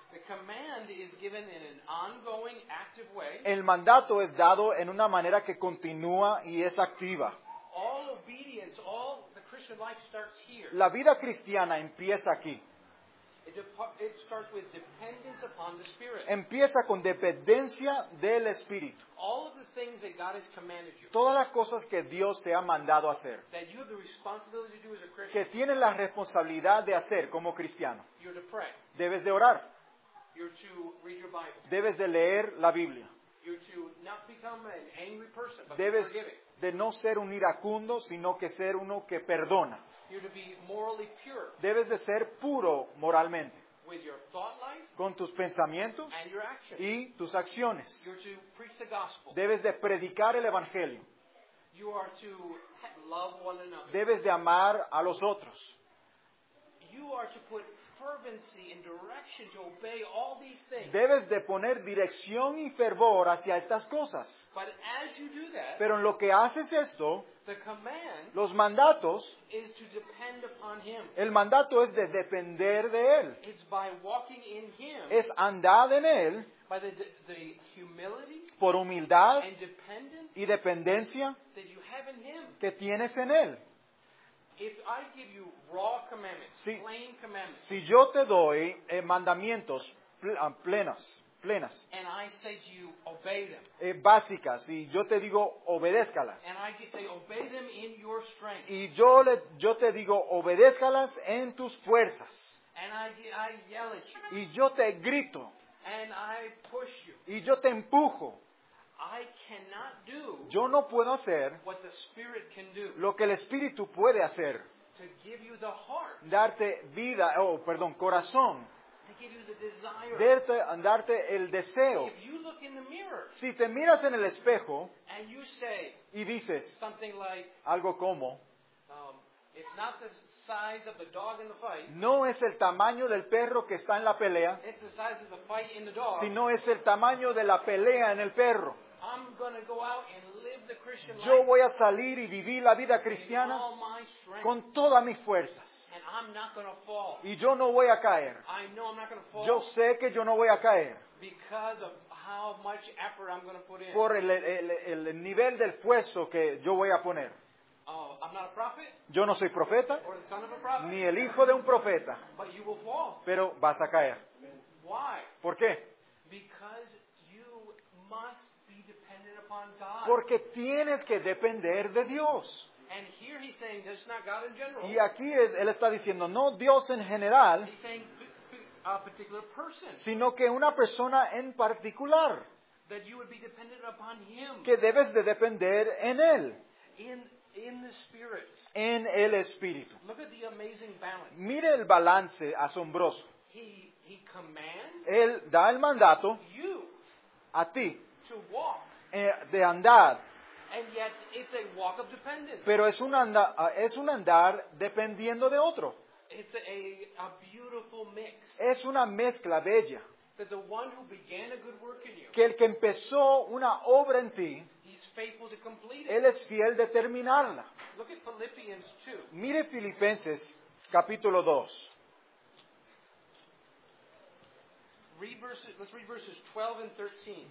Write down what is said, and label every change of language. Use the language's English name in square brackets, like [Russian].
[English] The command is given in an ongoing, active way. [Spanish] El mandato es dado en una manera que continúa y es activa. [English] All obedience, all the Christian life starts here. [Spanish] La vida cristiana empieza aquí. [English] It starts with dependence upon the Spirit. [Spanish] Empieza con dependencia del Espíritu. [English] All of the things that God has commanded you. [Spanish] Todas las cosas que Dios te ha mandado hacer. [English] That you have the responsibility to do as a Christian. [Spanish] Que tienes la responsabilidad de hacer como cristiano. [English] You're to pray. [Spanish] Debes de orar. [English] You're to read your Bible. [Spanish] Debes de leer la Biblia. [English] You're to not become an angry person, but [Spanish] debes [English] be forgiving. [Spanish] De no ser un iracundo, sino que ser uno que perdona. [English] You're to be morally pure. [Spanish] Debes de ser puro moralmente. [English] With your thought life, [Spanish] con tus pensamientos [English] and your actions. [Spanish] Y tus acciones. [English] You're to preach the gospel. [Spanish] Debes de predicar el Evangelio. [English] You are to love one another. [Spanish] Debes de amar a los otros. [English] You are to put fervency and direction to obey all these things. [Spanish] Debes de poner dirección y fervor hacia estas cosas. [English] But as you do that, [Spanish] pero en lo que haces esto, [English] the command, [Spanish] los mandatos, [English] is to depend upon him. [Spanish] El mandato es de depender de él. [English] It's by walking in him. [Spanish] Es andar en él. [English] By the humility, [Spanish] por humildad, [English] and dependence, [Spanish] y dependencia, [English] that you have in him. [Spanish] Que tienes en él. [English] If I give you raw commandments, si, plain commandments, [Spanish] si yo te doy mandamientos plenas, [English] and I say to you, obey them, [Spanish] básicas, y yo te digo, obedézcalas, [English] and I say, obey them in your strength, [Spanish] y yo te digo, obedézcalas en tus fuerzas, [English] and I yell at you, [Spanish] y yo te grito, [English] and I push you, [Spanish] y yo te empujo, [English] I cannot do, [Spanish] yo no puedo hacer [English] what the Spirit can do, [Spanish] lo que el Espíritu puede hacer, [English] to give you the heart, [Spanish] darte vida, corazón, [English] to give you the desire, [Spanish] darte el deseo. [English] If you look in the mirror, [Spanish] si te miras en el espejo [English] and you say, [Spanish] y dices [English] something like, [Spanish] algo como, [English] It's not the size of the dog in the fight. [Spanish] No es el tamaño del perro que está en la pelea. [English] It's the size of the fight in the dog. [Spanish] Sino es el tamaño de la pelea en el perro. [English] I'm going to go out and live the Christian life. [Spanish] Yo voy a salir y vivir la vida cristiana con todas mis fuerzas. [English] And I'm not going to fall. [Spanish] Y yo no voy a caer. [English] I know I'm not going to fall. [Spanish] Yo sé que yo no voy a caer. [English] Because of how much effort I'm going to put in. [Spanish] Por el nivel del esfuerzo que yo voy a poner. [English] Oh, I'm not a prophet. [Spanish] Yo no soy profeta. [English] Or the son of a prophet. [Spanish] Ni el hijo de un profeta. [English] But you will fall. [Spanish] Pero vas a caer. [English] Why? [Spanish] ¿Por qué? [English] Because you must be dependent upon God. [Spanish] Porque tienes que depender de Dios. [English] And here he's saying, this is not God in general. [Spanish] Y aquí él está diciendo, no Dios en general. [English] He's saying, a particular person. [Spanish] Sino que una persona en particular. [English] That you would be dependent upon him. [Spanish] Que debes de depender en él. [English] In the spirit. [Spanish] En el espíritu. [English] Look at the amazing balance. [Spanish] Mire el balance asombroso. [English] He commands. [Spanish] Él da el mandato. [English] You. [Spanish] A ti. [English] To walk. [Spanish] De andar. [English] And yet it's a walk of dependence. [Spanish] Pero es un andar dependiendo de otro. [English] It's a beautiful mix. [Spanish] Es una mezcla bella. [English] That the one who began a good work in you. [Spanish] Que el que empezó una obra en ti. [English] He's faithful to complete it. [Spanish] Él es fiel de terminarla. [English] Look at Philippians 2. [Spanish] Mire Filipenses capítulo 2. [English] Let's read verses 12 and 13.